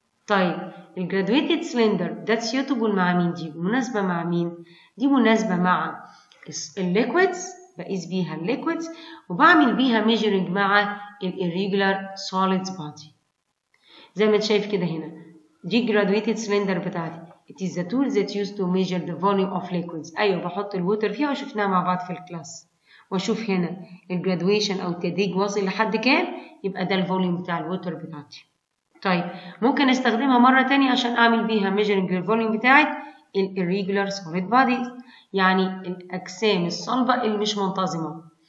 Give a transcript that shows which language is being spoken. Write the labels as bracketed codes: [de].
[ar] طيب الـ graduated cylinder ده suitable مع مين دي؟ مناسبة مع مين؟ دي مناسبة مع الـ liquids، بقيس بيها الـ liquids وبعمل بيها measuring مع الـ [en] irregular solids body. [ar] زي ما انت شايف كده هنا دي graduated cylinder بتاعتي. [en] It is the tool that used to measure the volume of liquids. [ar] ايوه بحط الووتر فيها وشفناها مع بعض في الكلاس. واشوف هنا الـ graduation او التدريج واصل لحد كام، يبقى ده الفوليوم بتاع الووتر بتاعتي. طيب ممكن استخدمها مره ثانيه عشان اعمل بيها measuring الفوليوم بتاعت الـ [en] irregular solid bodies، [ar] يعني الاجسام الصلبه اللي مش منتظمه.